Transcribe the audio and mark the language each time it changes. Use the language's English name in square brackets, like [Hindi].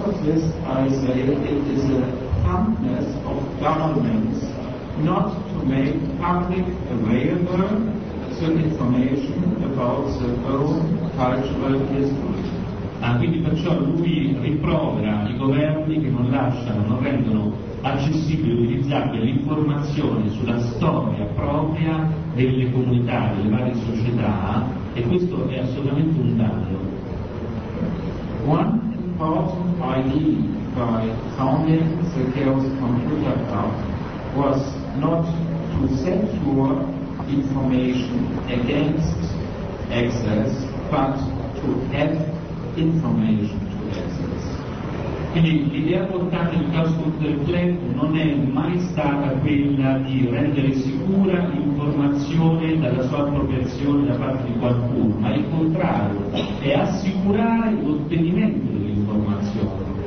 [English] of this, I say it is a humbleness of governments not to make public available some information about their own cultural history. [Italian] Quindi perciò lui riprovera i governi che non lasciano, non rendono accessibile e utilizzabile l'informazione sulla storia propria delle comunità, delle varie società, e questo è assolutamente un danno. [English] One important idea by founding the Chaos Computer Club was not to secure information against access, but to have information to access. [Italian] Quindi l'idea portata in Chaos Computer Club non è mai stata quella di rendere sicura l'informazione dalla sua appropriazione da parte di qualcuno, ma il contrario, è assicurare l'ottenimento dell'informazione.